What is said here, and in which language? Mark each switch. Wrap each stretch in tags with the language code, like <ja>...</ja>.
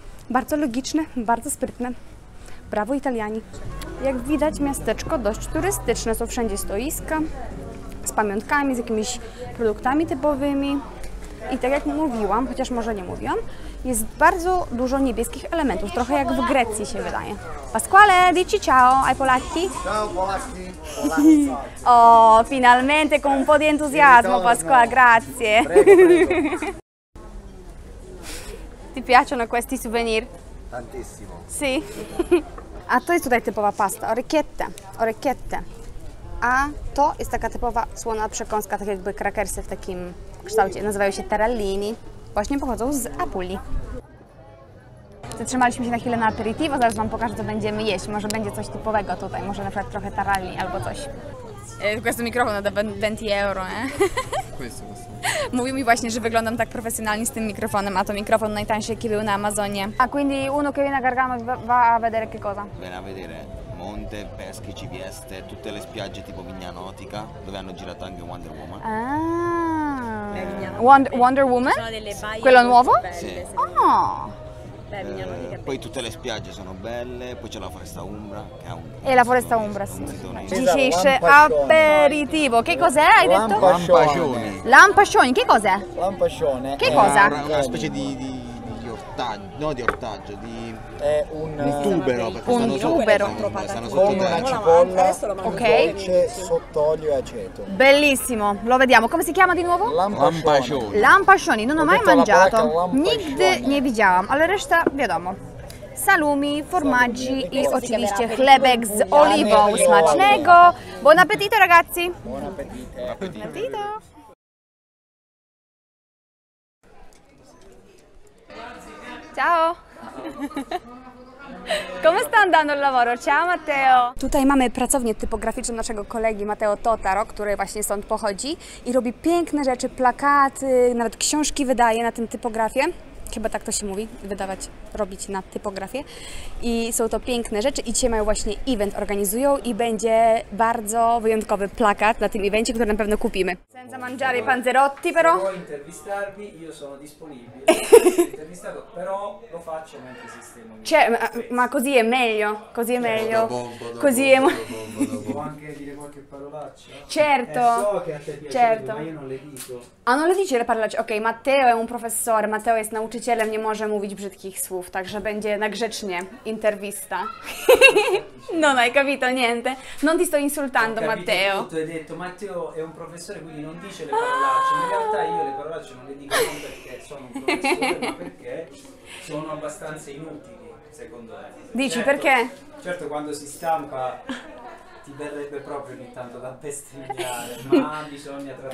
<pl>Bardzo logiczne, bardzo sprytne. Brawo Italiani. Jak widać, miasteczko dość turystyczne. Są wszędzie stoiska z pamiątkami, z jakimiś produktami typowymi. I tak jak mówiłam, chociaż może nie mówiłam, jest bardzo dużo niebieskich elementów. Trochę jak w Grecji się wydaje.</pl> <it>Pasquale, dici ciao ai Polacchi. Ciao Polacchi. O, finalmente con un po' di entusiasmo, Pasquale, grazie. Ti piacciono questi souvenir? Tantissimo. Sì.</it> <pl>A to jest tutaj typowa pasta, orecchiette, orecchiette. A to jest taka typowa słona przekąska, tak jakby krakersy w takim kształcie. Nazywają się tarallini. Właśnie pochodzą z Apulii. Zatrzymaliśmy się na chwilę na aperitivo, zaraz wam pokażę, co będziemy jeść. Może będzie coś typowego tutaj, może na przykład trochę taralli albo coś. Tylko jest to mikrofon,</pl> <it>da 20 euro,</it> <pl>nie? Mówił mi właśnie, że wyglądam tak profesjonalnie z tym mikrofonem, a to mikrofon najtańszy, jaki był na Amazonie.</pl> <it>A quindi uno che viene a Gargano va a vedere che cosa? Viene a vedere Monte, Peschici, Vieste, tutte le spiagge tipo Vignanotica, dove hanno girato anche Wonder Woman. Ah. Wonder Woman? Quello nuovo? Sì. Oh. Poi tutte le spiagge sono belle, poi c'è la foresta Umbra, che è un... E la foresta Umbra, sì. Dice aperitivo. Che cos'è, hai detto? Lampascioni. Lampascioni, che cos'è? Lampascione. Che cosa? Una specie di ortaggio, no, di ortaggio, di... È un tubero, un tubero con una cipolla, dolce, sott'olio e aceto. Bellissimo, lo vediamo. Come si chiama di nuovo? Lampascioni. Lampascioni, non ho mai mangiato.</it> <pl>Nigdy nie widziałam, ale reszta wiadomo. Salumi, formaggi i oczywiście chlebek z oliwą. Smacznego.</pl> <it>Buon appetito, ragazzi. Buon appetito. Buon appetito. Ciao. Come sta andando il lavoro? Ciao Matteo!</it> <pl>Tutaj mamy pracownię typograficzną naszego kolegi Matteo Totaro, który właśnie stąd pochodzi i robi piękne rzeczy, plakaty, nawet książki wydaje na tym typografie. Chyba tak to się mówi, wydawać, robić na typografię. I są to piękne rzeczy i dzisiaj mają właśnie event, organizują i będzie bardzo wyjątkowy plakat na tym evencie, który na pewno kupimy.</pl> <it>Senza mangiare i panzerotti però. Se vuoi intervistarmi, io sono disponibile. Intervistato, però lo faccio mentre sistemo. Cioè, ma così è meglio, così è meglio. Così è... Può anche dire qualche parolaccia? Certo. So che a te piace, certo. Ma io non le dico. Ah, non le dice le parolacce?</it> <pl>Ok,</pl> <it>Matteo è un professore,</it> <pl>Matteo jest nauczycielem, nie może mówić brzydkich słów, także będzie na grzecznie intervista.</pl> <it>No, non hai capito niente. Non ti sto insultando, Matteo. Tutto, hai detto, Matteo è un professore, quindi non dice le parolacce. In realtà io le parolacce non le dico non perché sono un professore, ma perché sono abbastanza inutili, secondo me. Dici, certo, perché? Certo, quando si stampa ti verrebbe proprio ogni tanto da bestemmiare, ma bisogna trattare.</it>